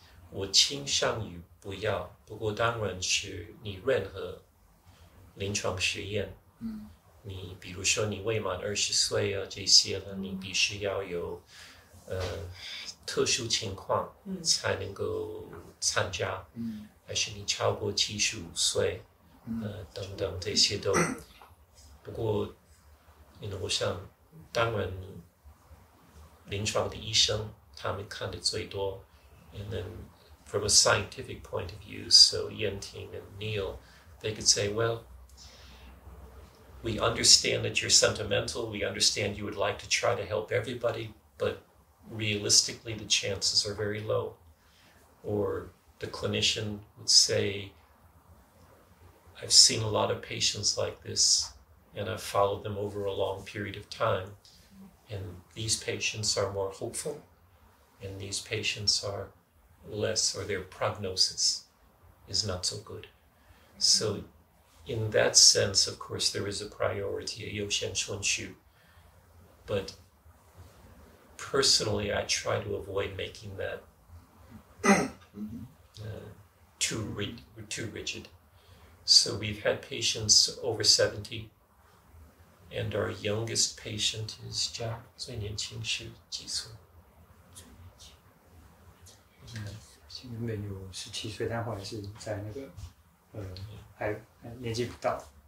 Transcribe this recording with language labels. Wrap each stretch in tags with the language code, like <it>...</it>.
<zh>我倾向于不要，不过当然是你任何临床实验，你比如说你未满20岁啊这些了，你必须要有特殊情况才能够参加，还是你超过75岁，等等这些都。不过，我想，当然，临床的医生他们看的最多。</zh> <en>And then, from a scientific point of view, so Yan Ting and Neil, they could say, well, we understand that you're sentimental. We understand you would like to try to help everybody, but realistically, the chances are very low. Or the clinician would say, I've seen a lot of patients like this, and I've followed them over a long period of time, and these patients are more hopeful, and these patients are less, or their prognosis is not so good. So in that sense, of course, there is a priority, a 优先顺序, but personally, I try to avoid making that too rigid. So we've had patients over 70, and our youngest patient is Jack.</en> <zh>最年轻是几岁？最年轻，原本有17岁，但后来是在那个还年纪不到。</zh>